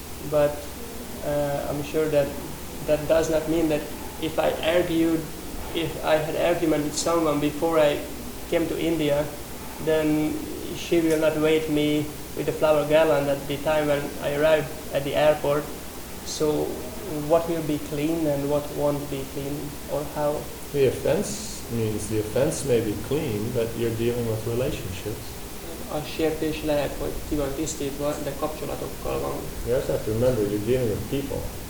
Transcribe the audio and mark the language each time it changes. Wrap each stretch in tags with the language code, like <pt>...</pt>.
<en>But I'm sure that that does not mean that if I argued, if I had argument with someone before I came to India, then she will not wait me with a flower garland at the time when I arrived at the airport. So what will be clean and what won't be clean, or how? The offense means the offense may be clean, but you're dealing with relationships.</en> <hu>A sértés lehet, hogy ki van tisztítva, de kapcsolatokkal van.</hu> <en>You also have to remember you're dealing with people.</en>